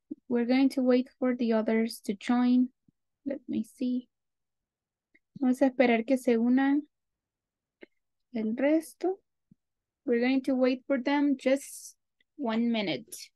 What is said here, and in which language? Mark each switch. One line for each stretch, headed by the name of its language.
English: We're going to wait for the others to join. Let me see.
Spanish: Vamos a esperar que se unan el resto.
English: We're going to wait for them just 1 minute.